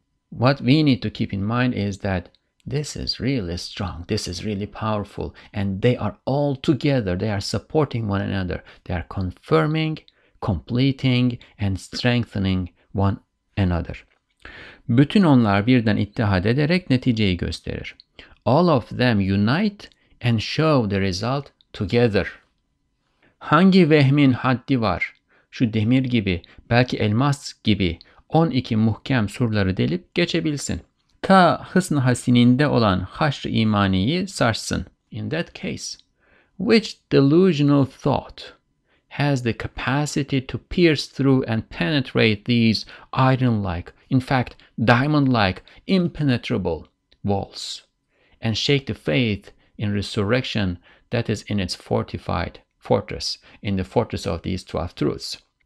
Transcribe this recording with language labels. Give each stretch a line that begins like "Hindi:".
English: What we need to keep in mind is that this is really strong, this is really powerful, and they are all together, they are supporting one another, they are confirming, completing, and strengthening one another.
Turkish: Bütün onlar birden ittihad ederek neticeyi gösterir.
English: All of them unite and show the result together.
Turkish: Hangi vehmin haddi var? Şu demir gibi, belki elmas gibi 12 muhkem surları delip geçebilsin. Ta hısn-ı hasininde olan haşr-ı imaniyi sarsın.
English: In that case, which delusional thought has the capacity to pierce through and penetrate these iron-like, in fact, diamond-like, impenetrable walls and shake the faith in resurrection that is in its fortified fortress, in the fortress of these 12 truths.